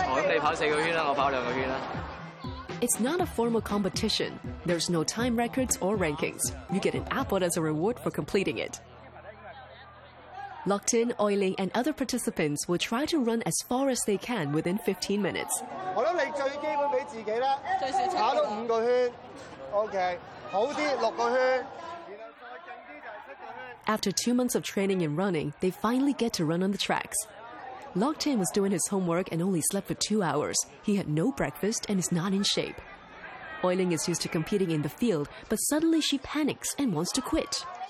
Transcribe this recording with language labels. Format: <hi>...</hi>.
<yue>你跑四个圈啦，我跑两个圈啦。</yue> <en>It's not a formal competition. There's no time records or rankings. You get an apple as a reward for completing it. Lockton, Oiling, and other participants will try to run as far as they can within 15 minutes.</en> <yue>我谂你最基本俾自己啦，跑到五个圈 ，OK， 好啲六个圈。</yue> <en>After 2 months of training and running, they finally get to run on the tracks. Lockton was doing his homework and only slept for 2 hours. He had no breakfast and is not in shape. Oiling is used to competing in the field, but suddenly she panics and wants to quit.</en>